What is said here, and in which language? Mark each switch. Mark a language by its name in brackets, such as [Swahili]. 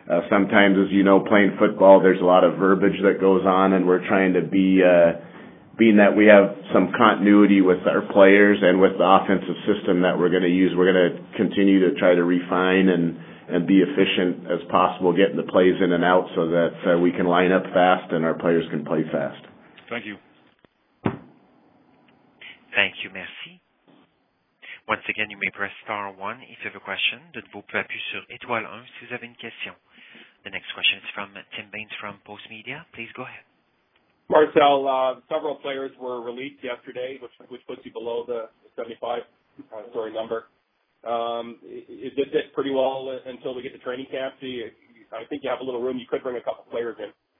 [English] Sometimes, as you know, playing football, there's a lot of verbiage that goes on, and we're trying to be, being that we have some continuity with our players and with the offensive system that we're going to use, we're going to continue to try to refine and be efficient as possible, getting the plays in and out so that we can line up fast and our players can play fast. Thank you. Thank you, merci. Once again, you may press star 1 if you have a question. [French] De nouveau, pouvez appuyer sur étoile 1 si vous avez une question. [English] The next question is from Tim Baines from Post Media. Please go ahead. Marcel, several players were released yesterday, which puts you below the 75-story number. Is this it pretty well until we get to training camp? I think you have a little room. You could bring a couple players in.